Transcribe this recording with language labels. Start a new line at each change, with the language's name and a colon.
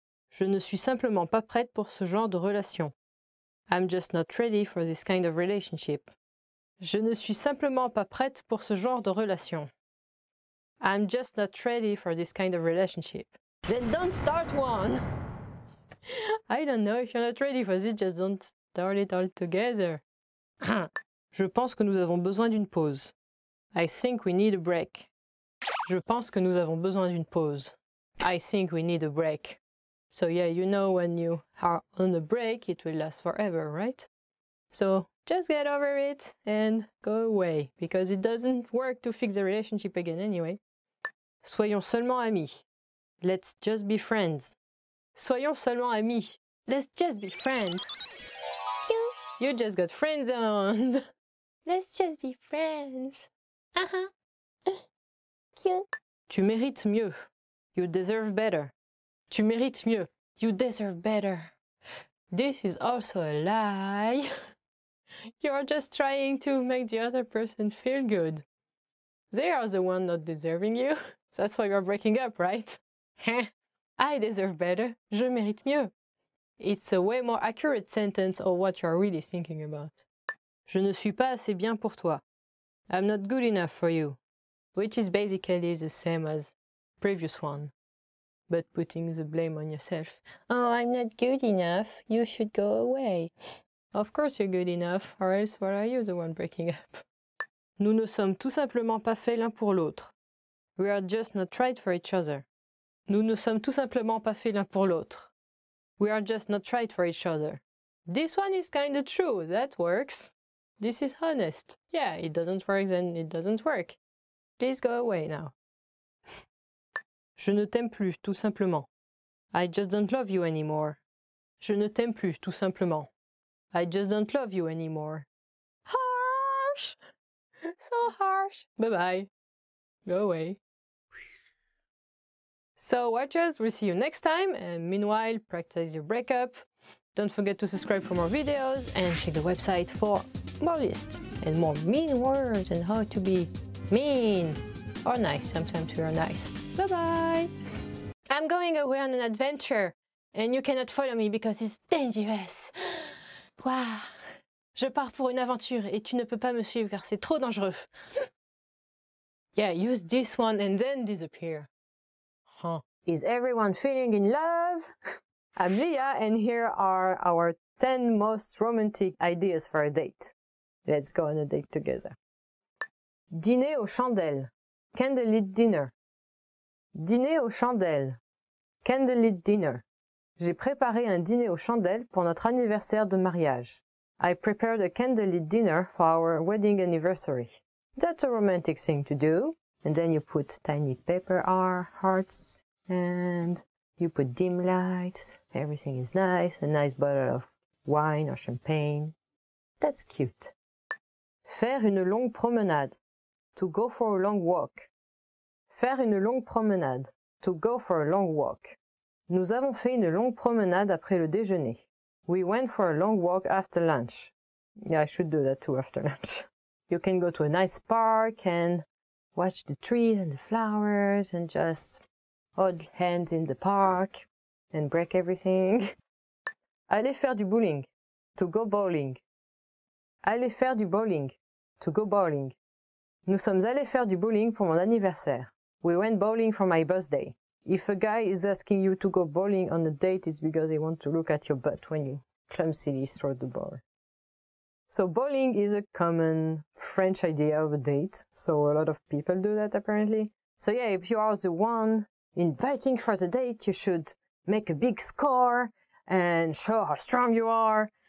French: Je ne suis simplement pas prête pour ce genre de relation.
English: I'm just not ready for this kind of relationship.
French: Je ne suis simplement pas prête pour ce genre de relation.
English: I'm just not ready for this kind of relationship. Then don't start one! I don't know if you're not ready for this, just don't start it all together.
French: Je pense que nous avons besoin d'une pause.
English: I think we need a break.
French: Je pense que nous avons besoin d'une pause.
English: I think we need a break. So yeah, you know when you are on a break, it will last forever, right? So, just get over it and go away, because it doesn't work to fix the relationship again anyway.
French: Soyons seulement amis.
English: Let's just be friends.
French: Soyons seulement amis.
English: Let's just be friends. You just got friendzoned. Let's just be friends.
French: Tu mérites mieux.
English: You deserve better.
French: Tu mérites mieux.
English: You deserve better. This is also a lie. You are just trying to make the other person feel good. They are the one not deserving you. That's why you're breaking up, right? I deserve better.
French: Je mérite mieux.
English: It's a way more accurate sentence of what you're really thinking about.
French: Je ne suis pas assez bien pour toi.
English: I'm not good enough for you. Which is basically the same as previous one. But putting the blame on yourself. Oh, I'm not good enough. You should go away. Of course you're good enough, or else why are you the one breaking up?
French: Nous ne sommes tout simplement pas faits l'un pour l'autre.
English: We are just not right for each other.
French: Nous ne sommes tout simplement pas faits l'un pour l'autre.
English: We are just not right for each other. This one is kinda true, that works. This is honest. Yeah, it doesn't work, then it doesn't work. Please go away now.
French: Je ne t'aime plus, tout simplement.
English: I just don't love you anymore.
French: Je ne t'aime plus, tout simplement.
English: I just don't love you anymore. Harsh! So harsh! Bye-bye. Go away. So, watchers, we'll see you next time. And meanwhile, practice your breakup. Don't forget to subscribe for more videos and check the website for more lists and more mean words and how to be mean or nice sometimes we are nice. Bye-bye. I'm going away on an adventure and you cannot follow me because it's dangerous. Wow.
French: Je pars pour une aventure et tu ne peux pas me suivre car c'est trop dangereux.
English: Yeah, use this one and then disappear. Huh. Is everyone feeling in love? I'm Leah and here are our 10 most romantic ideas for a date. Let's go on a date together.
French: Dîner aux chandelles.
English: Candlelit dinner.
French: Dîner aux chandelles. Candlelit dinner. J'ai préparé un dîner aux chandelles pour notre anniversaire de mariage.
English: I prepared a candlelit dinner for our wedding anniversary. That's a romantic thing to do. And then you put tiny paper hearts and you put dim lights. Everything is nice. A nice bottle of wine or champagne. That's cute.
French: Faire une longue promenade.
English: To go for a long walk.
French: Faire une longue promenade.
English: To go for a long walk. Nous avons fait une longue promenade après le déjeuner. We went for a long walk after lunch. Yeah, I should do that too after lunch. You can go to a nice park and watch the trees and the flowers and just hold hands in the park and break everything.
French: Aller faire du bowling.
English: To go bowling.
French: Aller faire du bowling. To go bowling. Nous sommes allés faire du bowling pour mon anniversaire.
English: We went bowling for my birthday. If a guy is asking you to go bowling on a date, it's because he wants to look at your butt when you clumsily throw the ball. So bowling is a common French idea of a date. So a lot of people do that apparently. So yeah, if you are the one inviting for the date, you should make a big score and show how strong you are.